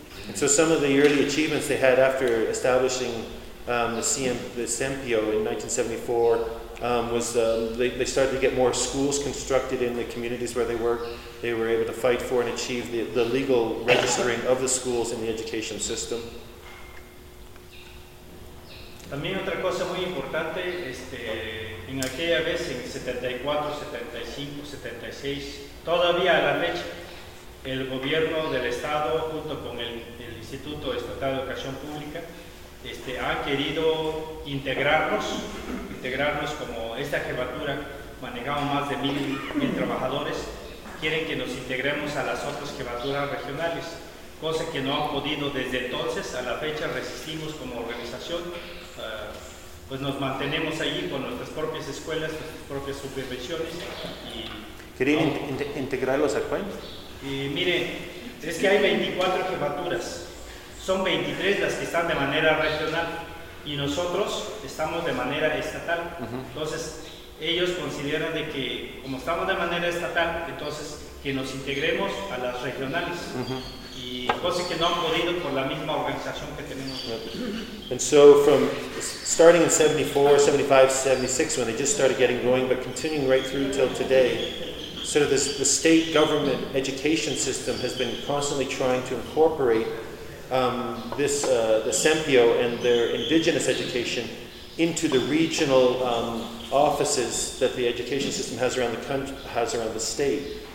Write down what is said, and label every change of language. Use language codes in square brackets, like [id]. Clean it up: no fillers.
[en] And so some of the early achievements they had after establishing the CEMPIO in 1974 was they started to get more schools constructed in the communities where they worked. They were able to fight for and achieve the legal registering of the schools in the education system. [es] También otra cosa muy importante, en aquella vez, en 74, 75, 76, todavía a la fecha, el gobierno del estado junto con el Instituto Estatal de Educación Pública ha querido integrarnos como esta jefatura manejaba más de 1,000 trabajadores, quieren que nos integremos a las otras jefaturas regionales, cosa que no han podido desde entonces, a la fecha resistimos como organización, pues nos mantenemos allí con nuestras propias escuelas, nuestras propias supervisiones. ¿Querían integrarlos a cuál? Y miren, es que hay 24 jefaturas, son 23 las que están de manera regional y nosotros estamos de manera estatal. Uh-huh. Entonces, ellos consideran de que como estamos de manera estatal, entonces que nos integremos a las regionales. Uh-huh. Y cosas que no han podido por la misma organización que tenemos. Yeah. [en] And so from starting in 74, 75, 76 when they just started getting going, but continuing right through till today. Sort of the state government education system has been constantly trying to incorporate the CEMPIO and their indigenous education into the regional offices that the education system has around the country, has around the state.